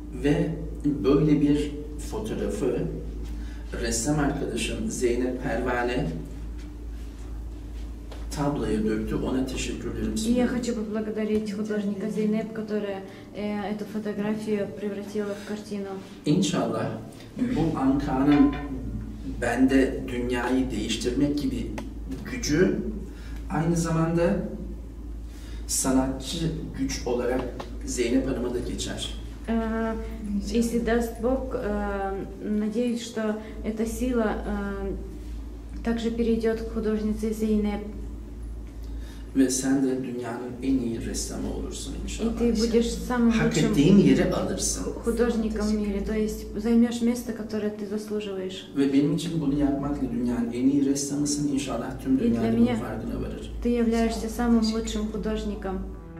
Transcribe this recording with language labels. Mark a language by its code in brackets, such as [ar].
[tr] Ve böyle bir fotoğrafı ressam arkadaşım Zeynep Pervane tabloya döktü. Ona teşekkürlerimi sunuyorum. [ru] Я хочу поблагодарить художника Зейнеп, которая эту фотографию превратила в картину. [tr] İnşallah bu Ankara'nın bende dünyayı değiştirmek gibi gücü aynı zamanda sanatçı güç olarak Zeynep Hanım'a da geçer. [ru] Если даст Бог, надеюсь, что эта сила также перейдет к художнице Зейнеп. [tr] Ve sen de dünyanın en iyi ressamı olursun inşallah. [ru] И ты будешь самым лучшим. [tr] Hak ettiğin yeri alırsın. [ru] Художником в мире, то есть займешь место, которое ты заслуживаешь. [tr] Ve benim için bunu yapmakla dünyanın en iyi ressamısın inşallah tüm dünyanın farkına varır. [ru] Ты являешься самым лучшим художником.